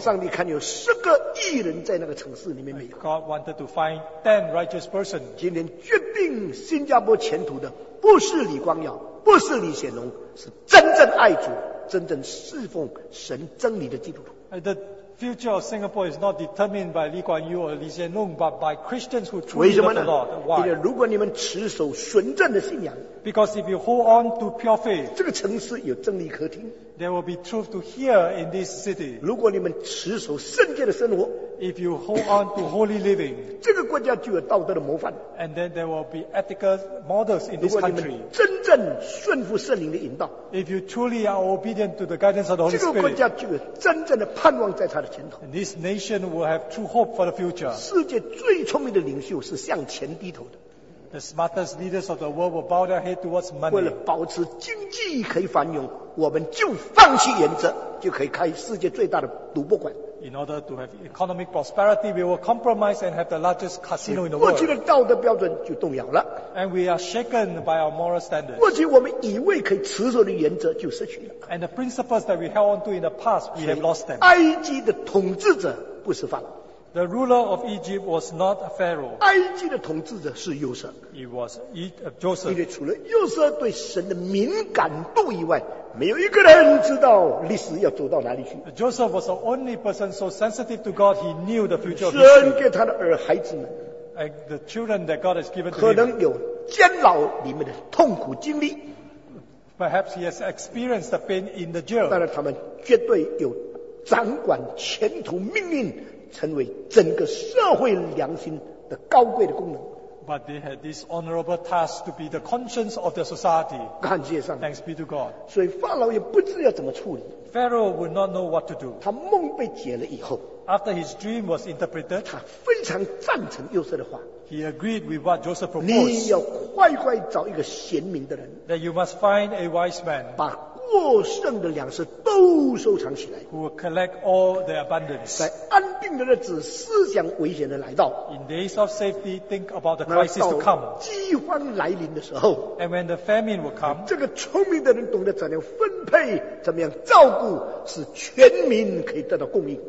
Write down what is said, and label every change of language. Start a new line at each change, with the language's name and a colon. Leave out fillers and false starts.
Chinese: 上帝看有十个义人在那个城市里面没有。
English: God wanted to find 10 righteous persons.
Chinese: 今天决定新加坡前途的不是李光耀，不是李显龙，是真正爱主、真正侍奉神真理的基督徒。
English: The future of Singapore is not determined by Lee Kuan Yew or Lee Hsien Loong, but by Christians who truly love the Lord. Why?
Chinese: 因为如果你们持守纯正的信仰，
English: because if you hold on to pure faith,
Chinese: 这个城市有真理可听，
English: there will be truth to hear in this city.
Chinese: 如果你们持守圣洁的生活，
English: if you hold on to holy living,
Chinese: 这个国家就有道德的模范，
English: and then there will be ethical models in this country.
Chinese: 如果你们真正顺服圣灵的引导，
English: if you truly are obedient to the guidance of the Holy Spirit,
Chinese: 这个国家就有真正的盼望在它的。
English: And this nation will have true hope for the future.
Chinese: 世界最聪明的领袖是向钱低头的。
English: The smartest leaders of the world will bow their head towards money.
Chinese: 为了保持经济可以繁荣，我们就放弃原则，就可以开世界最大的赌博馆。
English: In order to have economic prosperity, we will compromise and have the largest casino in the world.
Chinese: 过去的道德标准就动摇了。
English: And we are shaken by our moral standards.
Chinese: 过去我们以为可以持守的原则就失去了。
English: And the principles that we held on to in the past, we have lost them.
Chinese: 埃及的统治者不是法老。
English: The ruler of Egypt was not a Pharaoh.
Chinese: 埃及的统治者是约瑟。
English: It was Joseph.
Chinese: 因为除了约瑟对神的敏感度以外，没有一个人知道历史要走到哪里去。
English: Joseph was the only person so sensitive to God, he knew the future of
Chinese: history. 神给他的儿孩子们。
English: And the children that God has given to
Chinese: him. 可能有监牢里面的痛苦经历。
English: Perhaps he has experienced the pain in the jail.
Chinese: 当然他们绝对有掌管前途命运，成为整个社会良心的高贵的功能。
English: But they had this honorable task to be the conscience of the society.
Chinese: 感谢上帝。
English: Thanks be to God.
Chinese: 所以法老也不知要怎么处理。
English: Pharaoh would not know what to do.
Chinese: 他梦被解了以后，
English: after his dream was interpreted,
Chinese: 他非常赞成约瑟的话。
English: He agreed with what Joseph proposed.
Chinese: 你要快快找一个贤明的人。
English: That you must find a wise man.
Chinese: 把过剩的粮食都收藏起来。
English: Who will collect all the abundance.
Chinese: 在安定的日子，思想危险的来到。
English: In days of safety, think about the crisis to come.
Chinese: 饥荒来临的时候。
English: And when the famine will come.
Chinese: 这个聪明的人懂得怎样分配，怎么样照顾，使全民可以得到供应。